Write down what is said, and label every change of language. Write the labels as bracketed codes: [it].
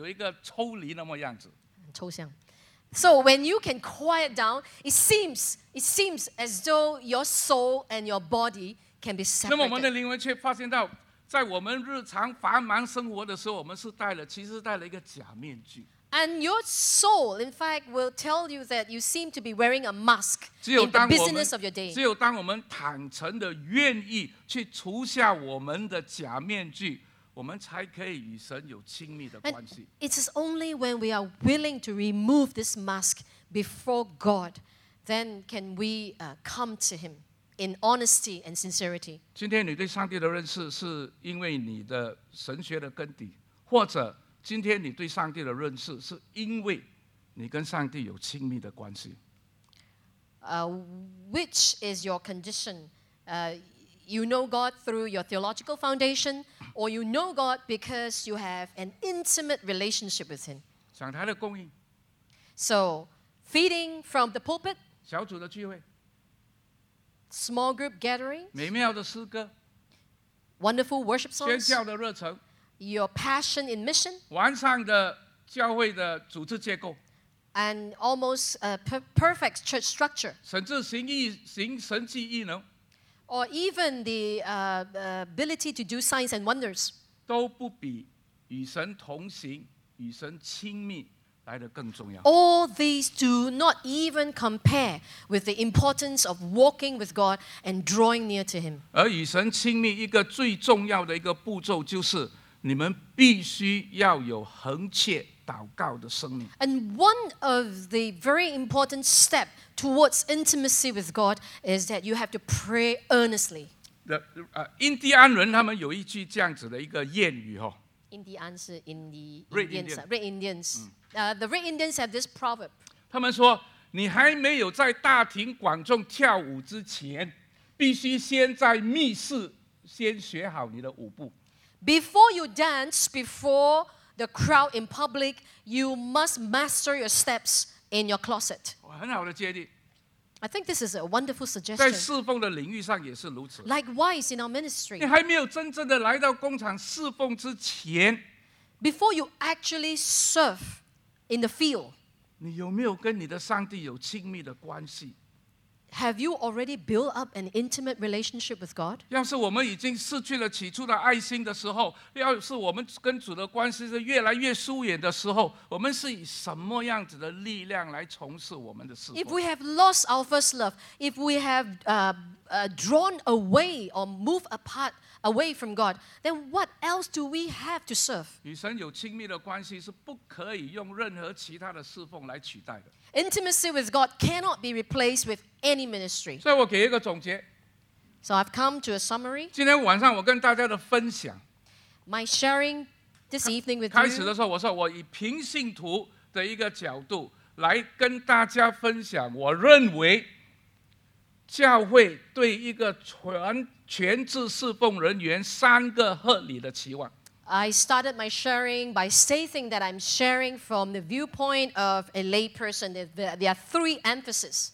[zh] 当我们静默的时候，就好像我们的灵魂可以跟我们的肉体有一个抽离那么样子。抽象。 [en] So when you can quiet down, it seems as though your soul and your body can be separated. [zh] 那么我们的灵魂却发现到。在我们日常繁忙生活的时候，我们是戴了，其实戴了一个假面具。 [en] And your soul, in fact, will tell you that you seem to be wearing a mask in the business of your day. [zh] 只有当我们坦诚地愿意去除下我们的假面具，我们才可以与神有亲密的关系。 [en] It is only when we are willing to remove this mask before God, then can we come to Him in honesty and sincerity. [zh] 今天你对上帝的认识是因为你的神学的根底，或者今天你对上帝的认识是因为你跟上帝有亲密的关系。 [en] Which is your condition? You know God through your theological foundation, or you know God because you have an intimate relationship with Him. [zh] 讲台的供应。 [en] So, feeding from the pulpit. [zh] 小组的聚会。 [en] Small group gatherings. [zh] 美妙的诗歌。 [en] Wonderful worship songs. [zh] 宣教的热忱。 [en] Your passion in mission. [zh] 完善的教会的组织结构。 [en] And almost a perfect church structure. [zh] 甚至行义行神迹异能。 [en] Or even the ability to do signs and wonders. [zh] 都不比与神同行与神亲密来得更重要。 [en] All these do not even compare with the importance of walking with God and drawing near to Him. [zh] 而与神亲密一个最重要的一个步骤就是你们必须要有恒切祷告的生命。 [en] And one of the very important steps towards intimacy with God is that you have to pray earnestly. [zh] 印第安人他们有一句这样子的一个谚语哦。印第安是印第安人 ，Red Indians。 [en] The Red Indians have this proverb. [zh] 他们说，你还没有在大庭广众跳舞之前，必须先在密室先学好你的舞步。 [en] Before you dance before the crowd in public, you must master your steps in your closet. [zh] 很好的建议。 [en] I think this is a wonderful suggestion. [zh] 在侍奉的领域上也是如此。 [en] Likewise in our ministry. [zh] 你还没有真正的来到工厂侍奉之前， [en] before you actually serve in the field, [zh] 你有没有跟你的上帝有亲密的关系？ [en] Have you already built up an intimate relationship with God? [zh] 要是我们已经失去了起初的爱心的时候，要是我们跟主的关系是越来越疏远的时候，我们是以什么样子的力量来从事我们的事？ [en] If we have lost our first love, if we have drawn away or moved apart away from God, then what else do we have to serve? [zh] 与神有亲密的关系是不可以用任何其他的侍奉来取代的。 [en] Intimacy with God cannot be replaced with any ministry. [zh] 所以我给一个总结。 [en] So I've come to a summary. [zh] 今天晚上我跟大家的分享。 [en] My sharing this evening with [zh] you. 开始的时候我说我以平信徒的一个角度来跟大家分享，我认为教会对一个全职侍奉人员三个合理的期望。 [en] I started my sharing by stating that I'm sharing from the viewpoint of a lay person. There are three emphases.